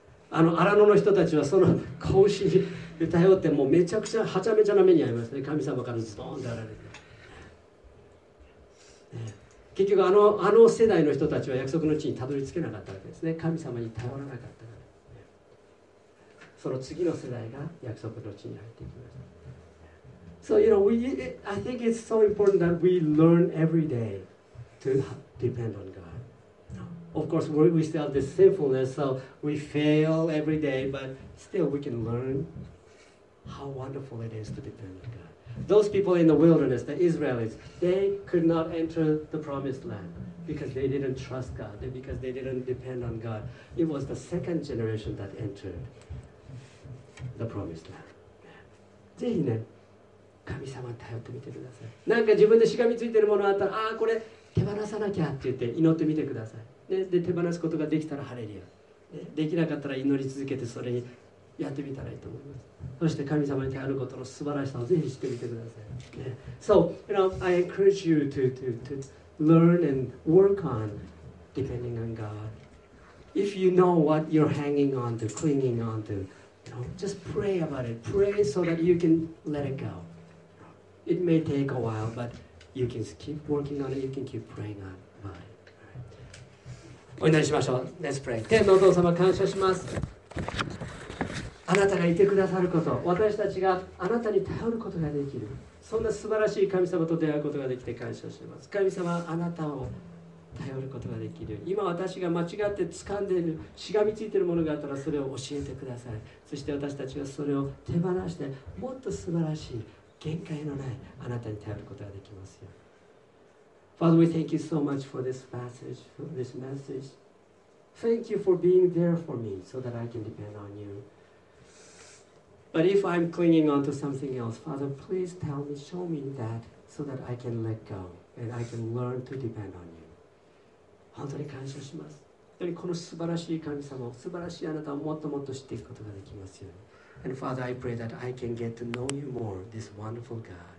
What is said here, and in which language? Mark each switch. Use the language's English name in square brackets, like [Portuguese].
[Japanese] あの荒野の人たちはその子牛に頼って、もうめちゃくちゃはちゃめちゃな目に遭いますね。神様からズドーンってやられて、結局あの世代の人たちは約束の地にたどり着けなかったわけですね。神様に頼らなかったから、その次の世代が約束の地に入ってきました。 [English] So you know, I think it's so important that we learn every day to depend on GodOf course, we still have this sinfulness, so we fail every day, but still we can learn how wonderful it is to depend on God. Those people in the wilderness, the Israelites, they could not enter the promised land because they didn't trust God, because they didn't depend on God. It was the second generation that entered the promised land. [Japanese] ぜひね、神様に頼ってみてください。なんか自分でしがみついてるものあったら、ああ、これ手放さなきゃって言って祈ってみてください。で手放すことができたらハレリア、できなかったら祈り続けてそれにやってみたらいいと思います。そして神様に頼ることの素晴らしさをぜひ知ってみてください、ね、 [English] So, you know, I encourage you to learn and work on depending on God. If you know what you're hanging on to, clinging on to, you know, just pray about it. Pray so that you can let it go. It may take a while, but you can keep working on it, you can keep praying on it. [Japanese] お祈りしましょう。 [English] Let's pray. [Japanese] 天のお父様、感謝します。あなたがいてくださること、私たちがあなたに頼ることができる、そんな素晴らしい神様と出会うことができて感謝します。神様、あなたを頼ることができる、今私が間違って掴んでいる、しがみついているものがあったらそれを教えてください。そして私たちがそれを手放して、もっと素晴らしい、限界のないあなたに頼ることができますよ。 [English] Father, we thank you so much for this passage, for this message. Thank you for being there for me so that I can depend on you. But if I'm clinging on to something else, Father, please tell me, show me that so that I can let go and I can learn to depend on you. [Japanese] 本当に感謝します。本当にこの素晴らしい神様、素晴らしいあなたをもっともっと知っていくことができますように。 [English] And Father, I pray that I can get to know you more, this wonderful God.